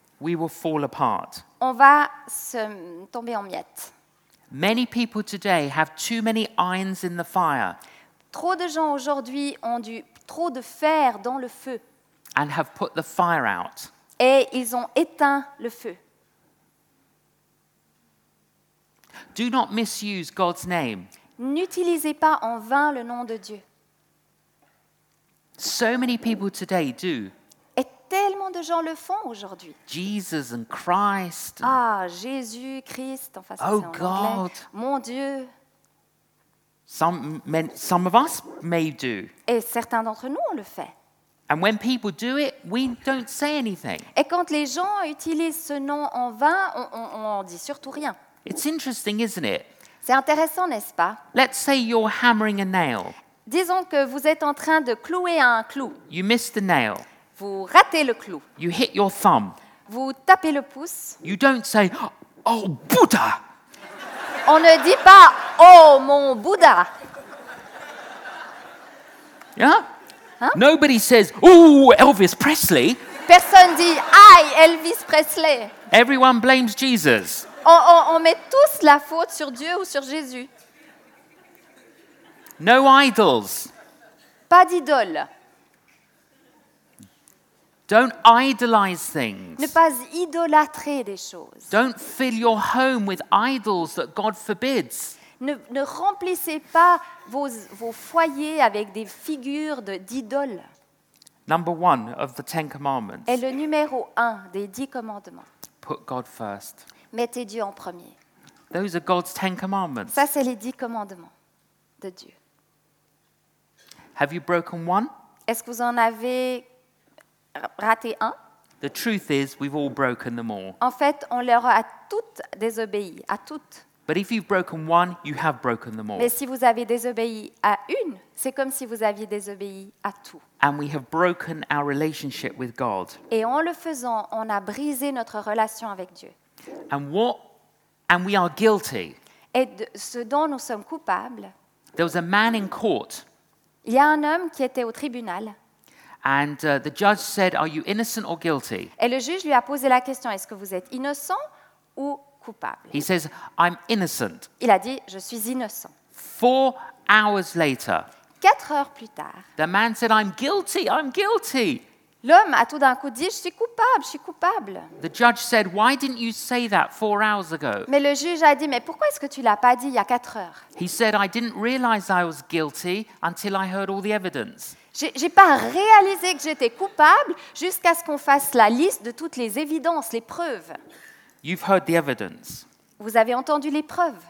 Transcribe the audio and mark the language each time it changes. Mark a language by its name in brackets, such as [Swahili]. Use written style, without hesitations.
[English] we will fall apart. [French] On va se tomber en miettes. [English] Many people today have too many irons in the fire. [French] Trop de gens aujourd'hui ont du trop de fer dans le feu. [English] And have put the fire out. [French] Et ils ont éteint le feu. [English] Do not misuse God's name. [French] N'utilisez pas en vain le nom de Dieu. [English] So many people today do. [French] Et tellement de gens le font aujourd'hui. [English] Jesus and Christ. [French] Ah, Jésus, Christ, enfin, ça, oh, c'est en [English] God. [French] Anglais. Mon Dieu. [English] Some of us may do. [French] Et certains d'entre nous on le fait. [English] And when people do it, we don't say anything. [French] Et quand les gens utilisent ce nom en vain, on dit surtout rien. [English] It's interesting, isn't it? [French] C'est intéressant, n'est-ce pas? [English] Let's say you're hammering a nail. [French] Disons que vous êtes en train de clouer un clou. [English] You miss the nail. [French] Vous ratez le clou. [English] You hit your thumb. [French] Vous tapez le pouce. [English] You don't say, oh, Buddha! [French] On ne dit pas, oh, mon Bouddha! [English] Yeah? Hein? Nobody says, oh, Elvis Presley! [French] Personne dit, aïe, Elvis Presley! [English] Everyone blames Jesus. [French] On met tous la faute sur Dieu ou sur Jésus. [English] No idols. [French] Pas d'idoles. [English] Don't idolize things. [French] Ne pas idolâtrer des choses. [English] Don't fill your home with idols that God forbids. [French] Ne remplissez pas vos foyers avec des figures d'idoles. [English] Number one of the Ten Commandments. [French] Et le numéro un des 10 commandements. [English] Put God first. [French] Mettez Dieu en premier. [English] Those are God's Ten Commandments. [French] Ça, c'est les 10 commandements de Dieu. [English] Have you broken one? [French] Est-ce que vous en avez raté un? [English] The truth is, we've all broken them all. [French] En fait, on leur a toutes désobéi, à toutes. [English] But if you've broken one, you have broken them all. [French] Mais si vous avez désobéi à une, c'est comme si vous aviez désobéi à tout. [English] And we have broken our relationship with God. [French] Et en le faisant, on a brisé notre relation avec Dieu. [English] And we are guilty. [French] Et ce dont nous sommes coupables. [English] There was a man in court. [French] Il y a un homme qui était au tribunal. [English] And the judge said, "Are you innocent or guilty?" [French] Et le juge lui a posé la question, est-ce que vous êtes innocent ou coupable? [English] He says, "I'm innocent." [French] Il a dit, je suis innocent. [English] 4 hours later. [French] 4 heures plus tard. [English] The man said, "I'm guilty. I'm guilty." [French] L'homme a tout d'un coup dit, je suis coupable, je suis coupable. [English] The judge said, why didn't you say that 4 hours ago? [French] Mais le juge a dit, mais pourquoi est-ce que tu ne l'as pas dit il y a 4 heures? [English] He said, I didn't realize I was guilty until I heard all the evidence. [French] J'ai pas réalisé que j'étais coupable jusqu'à ce qu'on fasse la liste de toutes les évidences, les preuves. [English] You've heard the evidence. [French] Vous avez entendu les preuves.